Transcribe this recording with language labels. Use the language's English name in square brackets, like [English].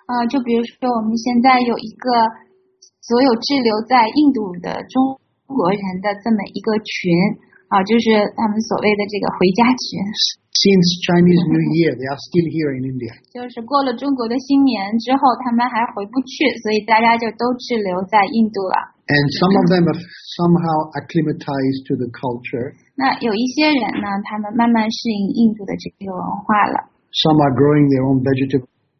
[Chinese] 就比如说我们现在有一个所有滞留在印度的中国人的这么一个群。就是他们所谓的这个回家群。 [English] Since Chinese New Year, they are still here in India. [Chinese] 就是过了中国的新年之后，他们还回不去，所以大家就都滞留在印度了。 [English] And some of them have somehow acclimatized to the culture. [Chinese] 那有一些人呢，他们慢慢适应印度的这个文化了。 [English] Some are growing their own vegetables.